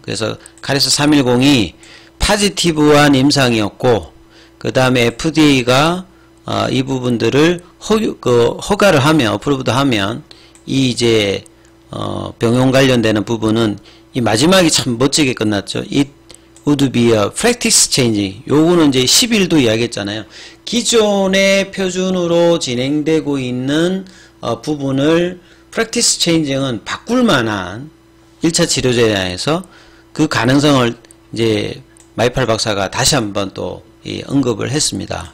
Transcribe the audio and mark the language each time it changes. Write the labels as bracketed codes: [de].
[ko] 그래서 카레스 310이 파지티브한 임상이었고, 그 다음에 FDA가 이 부분들을 허가를 하면, 어프로브드 하면, 이 이제 병용 관련되는 부분은 이 마지막이 참 멋지게 끝났죠. [en] It would be a practice changing. [ko] 요거는 이제 10일도 이야기했잖아요. 기존의 표준으로 진행되고 있는 부분을 practice changing은 바꿀 만한 1차 치료제에서 그 가능성을 이제 마이팔 박사가 다시 한번 또 언급을 했습니다.